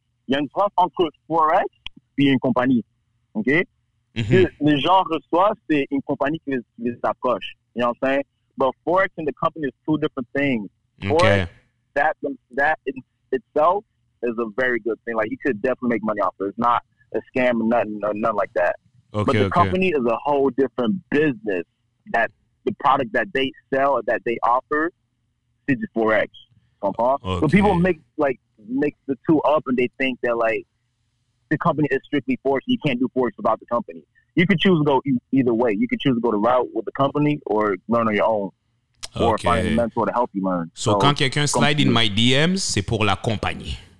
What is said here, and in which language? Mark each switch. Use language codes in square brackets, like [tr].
[fr] Il y a une différence entre Forex et une compagnie. OK? Mm-hmm. Les gens reçoivent, c'est une compagnie qui les approche. [en] You know what I'm saying? But Forex and the company is two different things. Forex, okay. That in itself is a very good thing. Like, you could definitely make money off of it. It's not a scam or nothing like that. Okay, but the okay. company is a whole different business. That the product that they sell or that they offer is Forex. Okay. So people make the two up and they think they're like, the company is strictly Forex. You can't do Forex without the company. You could choose to go either way. You could choose to go the route with the company or learn on your own. Okay. Or find a mentor to help you learn. [fr] So quand quelqu'un [en] slide in my DMs, [fr] c'est pour la compagnie.